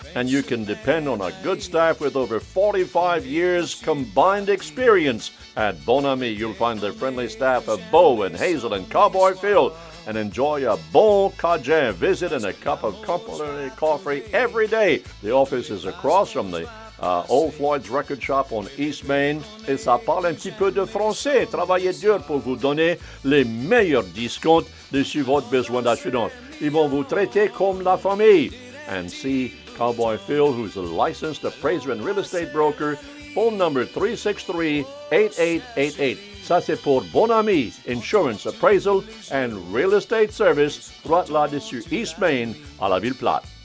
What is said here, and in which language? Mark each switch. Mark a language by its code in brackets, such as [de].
[en] And you can depend on a good staff with over 45 years combined experience at Bon Ami. You'll find the friendly staff of Bo and Hazel and Cowboy Phil, and enjoy a bon cajun visit and a cup of complimentary coffee every day. The office is across from the Old Floyd's Record Shop on East Main. [fr] Et ça parle un petit peu de français. Travaillez dur pour vous donner les meilleurs discounts dessus votre besoin d'assurance. Ils vont vous traiter comme la famille. [en] And see Cowboy Phil, who's a licensed appraiser and real estate broker. Phone number 363-8888. [fr] Ça, c'est pour Bon Ami Insurance Appraisal and Real Estate Service, droit là-dessus East Main, à la Ville Platte.